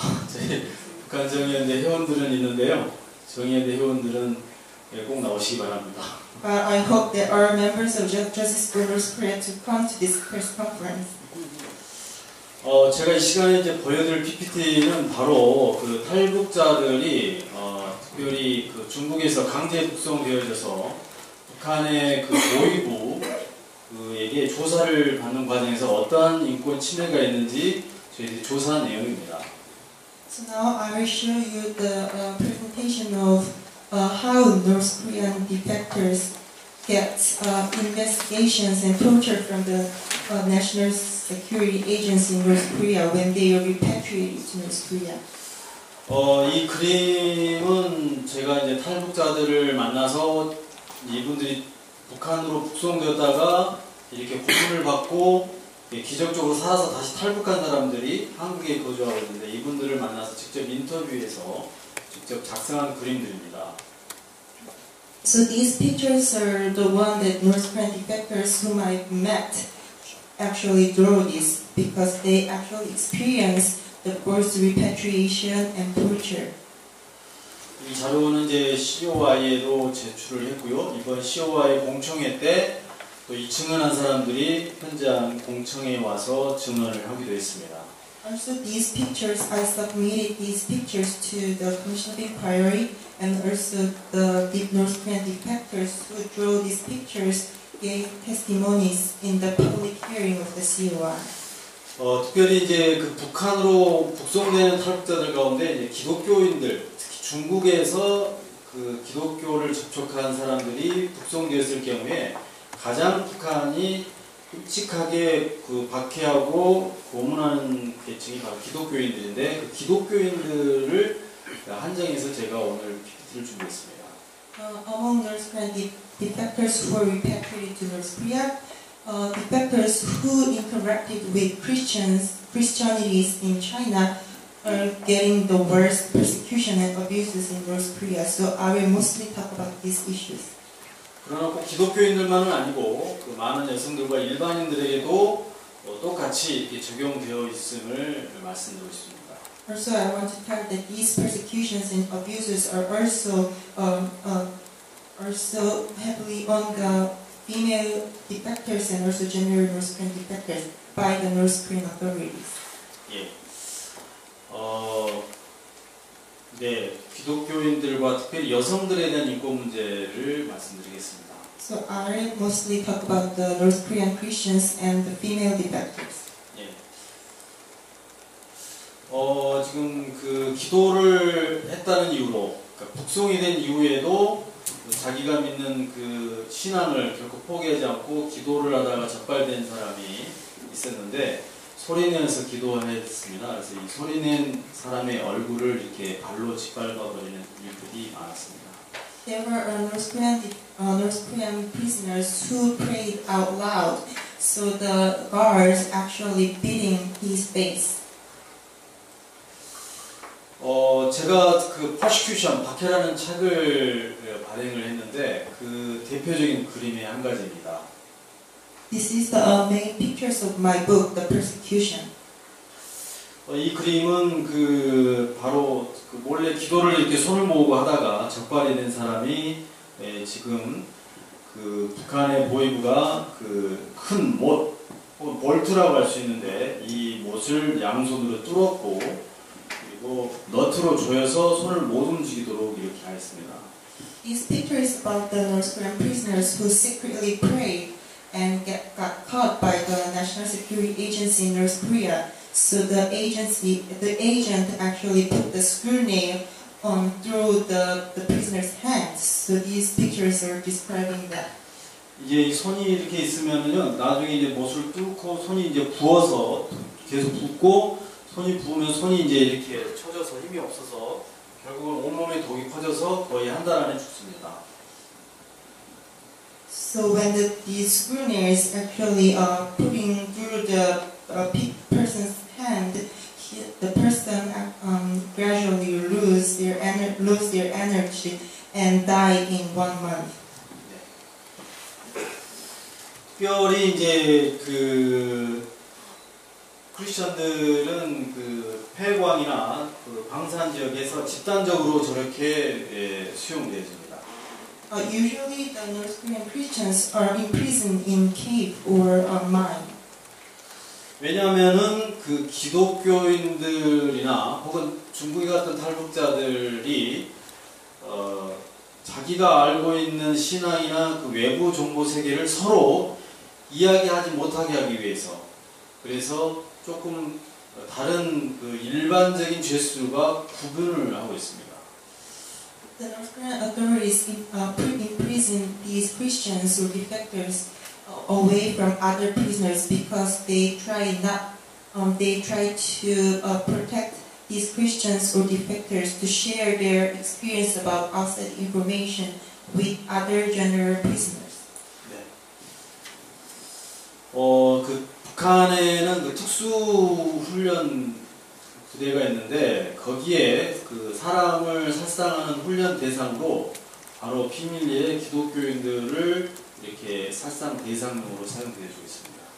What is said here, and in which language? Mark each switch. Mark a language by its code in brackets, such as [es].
[ko] 저희 북한 정의연대 회원들은 있는데요. 정의연대 회원들은 꼭 나오시기 바랍니다. [en] But I hope that our members of Justice for North Korea to come to this press conference. [ko] 제가 이 시간에 이제 보여드릴 PPT는 바로 탈북자들이 특별히 중국에서 강제 북송되어져서 북한의 보위부에게 조사를 받는 과정에서 어떠한 인권 침해가 있는지 저희들이 조사한 내용입니다. [en] So now I will show you the presentation of how North Korean defectors get investigations and torture from the National Security Agency in North Korea when they are repatriated to North Korea. [ko] 이 그림은 제가 이제 탈북자들을 만나서 이분들이 북한으로 북송되었다가 이렇게 고문을 받고 기적적으로 살아서 다시 탈북한 사람들이 한국에 거주하고 있는데 이분들을 만나서 직접 인터뷰해서 직접 작성한 그림들입니다. [en] So these pictures are the one that North Korean defectors whom I've met actually draw this because they actually experience the forced repatriation and torture. [ko] 이 자료는 이제 COI에도 제출을 했고요. 이번 COI 공청회 때 또 이 증언한 사람들이 현장 공청회 와서 증언을 하기도 했습니다. [en] Also these pictures, I submitted these pictures to the Commission of Inquiry and also the deep North Korean defectors who drew these pictures gave testimonies in the public hearing of the COI. [ko] 특별히 이제 북한으로 북송되는 탈북자들 가운데 이제 기독교인들, 특히 중국에서 기독교를 접촉한 사람들이 북송되었을 경우에 가장 북한이 끔찍하게 박해하고 고문하는 계층이 바로 기독교인들인데 그 기독교인들을 한정해서 제가 오늘 PPT를 준비했습니다. [en] Among North Korean defectors who were repatriated to North Korea, defectors who interacted with Christianities in China are getting the worst persecution and abuses in North Korea. So I will mostly talk about these issues. [ko] 그러나 꼭 기독교인들만은 아니고 많은 여성들과 일반인들에게도 똑같이 이렇게 적용되어 있음을 말씀드리고 있습니다. [en] Also, I want to tell that these persecutions and abuses are also also heavily on the female defectors and also gender North Korean defectors by the North Korean authorities. [ko] 예. 네, 기독교인들과 특별히 여성들에 대한 인권 문제를 말씀드리겠습니다. [en] So I mostly talk about the North Korean Christians and the female defectors. [ko] 지금 그 기도를 했다는 이유로, 그러니까 북송이 된 이후에도 자기가 믿는 그 신앙을 결코 포기하지 않고 기도를 하다가 적발된 사람이 있었는데 소리내서 기도했습니다. 그래서 이 소리낸 사람의 얼굴을 이렇게 발로 짓밟아버리는 일들이 많았습니다. [en] There were North Korean prisoners who prayed out loud, so the guards actually beating his face. [ko] 제가 그 Persecution, 박해라는 책을 발행을 했는데 그 대표적인 그림의 한 가지입니다. [en] This is the main pictures of my book, The Persecution. [ko] 이 그림은 그 바로 그 몰래 기도를 이렇게 손을 모으고 하다가 적발이 된 사람이 지금 그 북한의 보위부가 그 큰 못, 볼트라고 할 수 있는데 이 못을 양손으로 뚫었고 너트로 조여서 손을 못 움직이도록 이렇게 하였습니다. [en] This picture is about the North Korean prisoners who secretly prayed and got caught by the National Security Agency in North Korea. So the agent actually put the screw nail on through the prisoner's hands. So these pictures are describing that. [ko] 이제 손이 이렇게 있으면은요, 나중에 이제 못을 뚫고 손이 이제 부어서 계속 붓고. 손이 부으면 손이 이제 이렇게 처져서 힘이 없어서 결국은 온몸에 독이 퍼져서 거의 한 달 안에 죽습니다. [en] So when the screw nail is actually putting through the person's hand, the person gradually lose their energy and die in one month. [ko] 특별히 이제 그 크리스천들은 그 폐광이나 그 방산 지역에서 집단적으로 저렇게 수용되어집니다. [en] Usually the North Korean Christians are imprisoned in cave or a mine. [ko] 왜냐하면은 그 기독교인들이나 혹은 중국 같은 탈북자들이 자기가 알고 있는 신앙이나 그 외부 종교 세계를 서로 이야기하지 못하게 하기 위해서 그래서 조금 다른 그 일반적인 죄수들과 구분을 하고 있습니다. [en] The North Korean authorities imprison these Christians or defectors away from other prisoners because they try to protect these Christians or defectors to share their experience about outside information with other general prisoners. [ko] 네. 북한에는 그 특수 훈련 부대가 있는데 거기에 그 사람을 살상하는 훈련 대상으로 바로 피밀리의 기독교인들을 이렇게 살상 대상으로 사용되어 주고 있습니다.